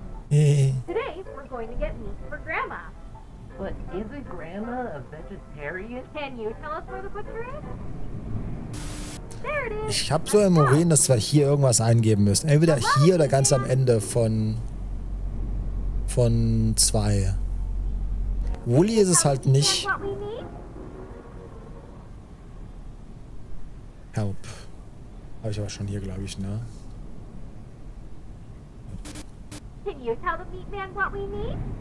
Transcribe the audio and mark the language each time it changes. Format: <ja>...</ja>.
<en>Today, we're going to get meat for Grandma. But is a grandma a vegetarian? Can you tell us where the butcher is? There it is.</en> <de>Ich hab so im Urin, dass wir hier irgendwas eingeben müssen. Entweder hier oder ganz am Ende von 2. Wooly ist es halt nicht. Help. Habe ich aber schon hier, glaube ich, ne?</de> <en>Can you tell the meat man what we need?</en>